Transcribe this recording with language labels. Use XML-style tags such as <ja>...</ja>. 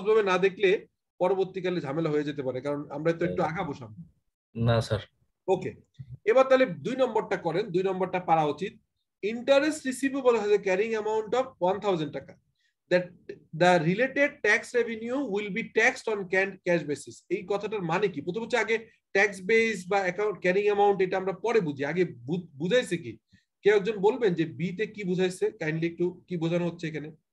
<bn>না দেখলে পরবর্তীকালে ঝামেলা হয়ে যেতে পারে, কারণ আমরা তো একটু আঁকা বসাম না স্যার। ওকে, এবার তাহলে দুই নম্বরটা করেন, দুই নম্বরটা পারা উচিত।</bn> <en>Interest receivable has a carrying amount of 1000 টাকা। That the related tax revenue will be taxed on cash basis.</en> <bn>এই কথাটার মানে কি? প্রথমে হচ্ছে আগে tax base বা account carrying amount এটা আমরা পরে বুঝি, আগে বুঝাইছে কি? কে একজন বলবেন যে B তে কি বুঝাইছে? Kindly একটু কি বোঝানো হচ্ছে এখানে?</bn>